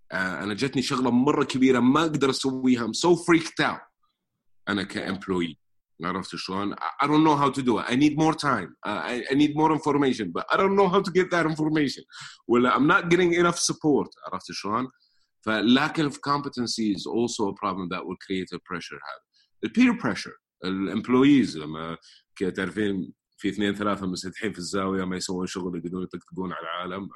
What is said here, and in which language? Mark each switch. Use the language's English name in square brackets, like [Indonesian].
[Arabic] أنا جتني شغلة مرة كبيرة ما أقدر أسويها. [English] I'm so freaked out. [Arabic] أنا كإمبلوي. عرفت شلون؟ [English] I don't know how to do it. I need more time. I need more information, but I don't know how to get that information. Well, I'm not getting enough support. [Arabic] عرفت شلون؟ [English] ف lack of competency is also a problem that will create a pressure. هذا. The peer pressure. The employees [Arabic] لما كي تعرفين في اثنين ثلاثة مسدحين في الزاوية ما يسوون شغل يقدرون يطقطقون على العالم.